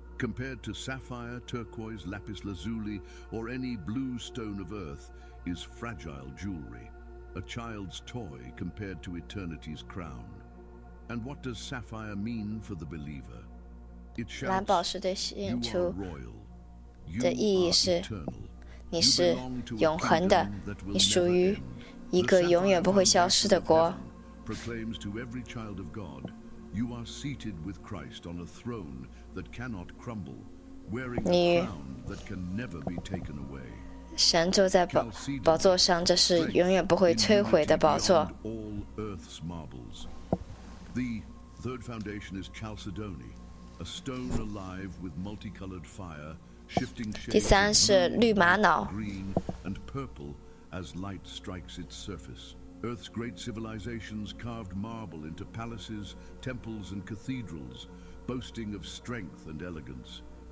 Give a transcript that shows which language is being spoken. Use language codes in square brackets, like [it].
[en] Compared to sapphire, turquoise, lapis lazuli, or any blue stone of earth, is fragile jewelry, a child's toy compared to eternity's crown. And what does sapphire mean for the believer? It shouts, you are royal, you are eternal. [zh] 你是永恒的，你属于一个永远不会消失的国。 [en] Proclaims to every child of God, you are seated with Christ on a throne that cannot crumble, wearing a crown that can never be taken away. [zh] 神坐在宝座上，这是永远不会摧毁的宝座。 [en] All earth's marbles. The third foundation is chalcedony, a stone alive with multicolored fire. [zh] 第三是绿玛瑙 [en] green and purple as light strikes its surface. Earth's great civilizations carved marble into palaces, temples, and cathedrals, boasting of strength and elegance.